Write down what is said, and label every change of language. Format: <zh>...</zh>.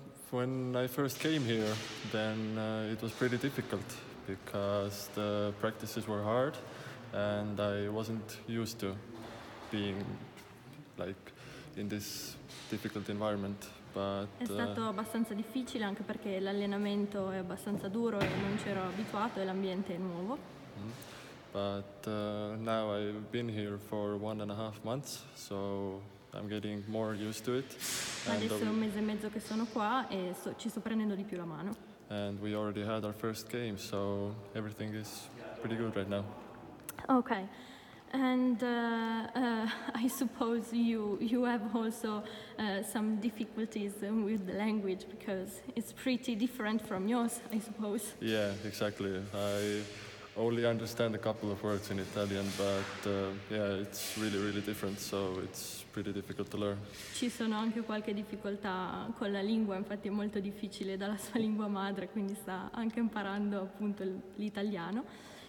<en>When I first came here, then it was pretty difficult because the practices were hard and I wasn't used to being like in this difficult environment. But</en> <it>è stato abbastanza difficile anche perché l'allenamento è abbastanza duro e non c'ero abituato e l'ambiente è nuovo.</it> <en>But now I've been here for 1.5 months, so I'm getting more used to it.</en> <it>Adesso è un mese e mezzo che sono qua e ci sto prendendo di più la mano.</it> <en>And we already had our first game, so everything is pretty good right now. Okay. And I suppose you have also some difficulties with the language because it's pretty different from yours, I suppose. Yeah, exactly. I only understand a couple of words in Italian, but yeah, it's really, really different, so it's pretty difficult to learn.</en> <it>Ci sono anche qualche difficoltà con la lingua, infatti è molto difficile dalla sua lingua madre, quindi sta anche imparando appunto l'italiano.</it>